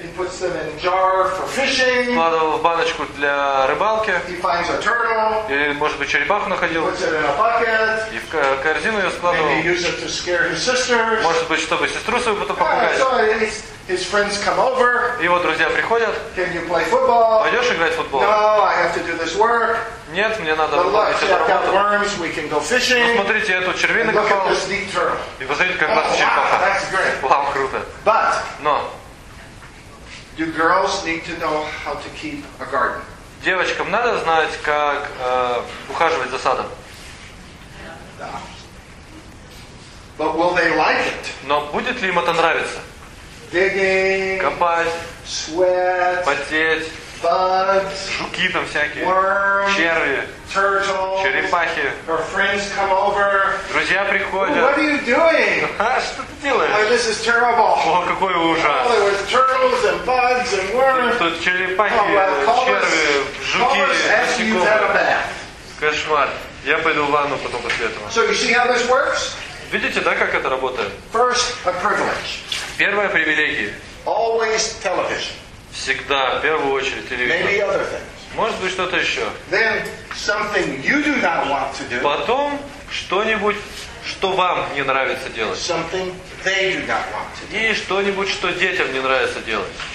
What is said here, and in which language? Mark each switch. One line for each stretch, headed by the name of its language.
English: He puts them in jar for fishing.
Russian: Вкладывал в баночку для рыбалки.
English: He finds a turtle.
Russian: И, может быть, черепаху находил.
English: He puts it in a bucket.
Russian: И в корзину ее складывал.
English: Maybe he uses it to scare his sisters.
Russian: Может быть, чтобы сестру свою потом попугать.
English: His friends come over.
Russian: Его друзья приходят.
English: Can you play football?
Russian: Пойдешь играть в футбол?
English: No, I have to do this work.
Russian: Нет, мне надо выполнить эту работу. Ну, смотрите, я тут червей накопал. И посмотрите, как классная черепаха. Вау, круто. Но девочкам надо знать, как ухаживать за садом. Но будет ли им это нравиться?
English: Digging,
Russian: копать,
English: sweat,
Russian: потеть,
English: bugs,
Russian: жуки там всякие,
English: worms,
Russian: черви,
English: turtles,
Russian: черепахи,
English: her friends come over.
Russian: Друзья приходят.
English: What are you doing?
Russian: Что ты делаешь?
English: Oh, this is terrible.
Russian: О, какой ужас.
English: Oh, there were turtles and bugs and worms.
Russian: Тут черепахи, черви, жуки, насекомые. Кошмар. Я пойду в ванну потом после этого.
English: So you see how this works?
Russian: Видите, да, как это работает?
English: First, a privilege.
Russian: Первое привилегия.
English: Always television.
Russian: Всегда, в первую очередь, телевизор.
English: Maybe other things.
Russian: Может быть, что-то еще.
English: Then something you do not want to do.
Russian: Потом что-нибудь, что вам не нравится делать.
English: Something they do not want to do.
Russian: И что-нибудь, что детям не нравится делать.